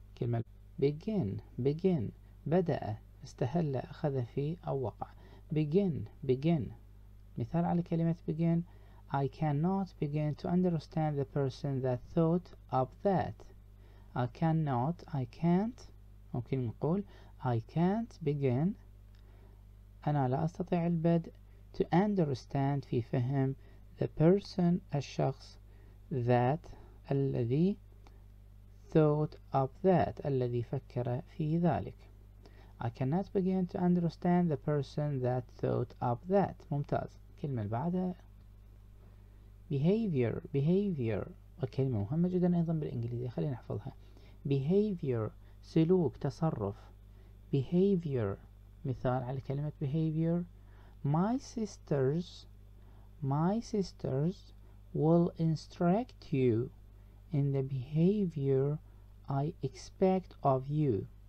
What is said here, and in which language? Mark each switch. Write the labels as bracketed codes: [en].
[ar] كلمة begin بدأ، استهل، أخذ في أو وقع. [en] Begin [ar] مثال على كلمة [en] begin: I cannot begin to understand the person that thought up that. I can't begin [ar] أنا لا أستطيع البدء، [en] to understand [ar] في فهم، [en] the person [ar] الشخص، [en] that [ar] الذي، [en] thought up that [ar] الذي فكر في ذلك. [en] I cannot begin to understand the person that thought up that. [ar] ممتاز. كلمة بعدها behavior وكلمة مهمة جدا أيضا بالإنجليزية، خلينا نحفظها. [en] behavior [ar] سلوك، تصرف. [en] behavior [ar] مثال على كلمة [en] behavior: My sisters will instruct you in the behavior I expect of you.